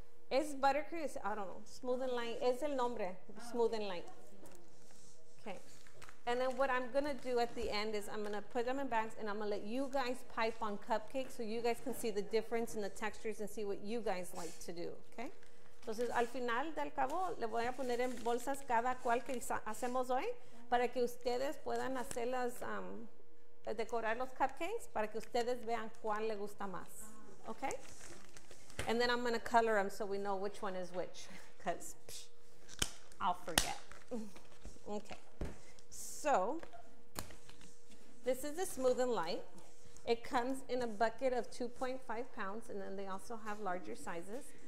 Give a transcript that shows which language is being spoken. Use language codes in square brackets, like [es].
[en] Is buttercream, I don't know, smooth and light. [es] Es el nombre, [en] smooth and light. Okay. And then what I'm going to do at the end is I'm going to put them in bags and I'm going to let you guys pipe on cupcakes so you guys can see the difference in the textures and see what you guys like to do, okay? [es] Entonces, al final del cabo, le voy a poner en bolsas cada cual que hacemos hoy para que ustedes puedan hacer las, decorar los cupcakes para que ustedes vean cuál le gusta más, okay? [en] And then I'm going to color them so we know which one is which because I'll forget. Okay. So, this is the smooth and light. It comes in a bucket of 2.5 pounds, and then they also have larger sizes.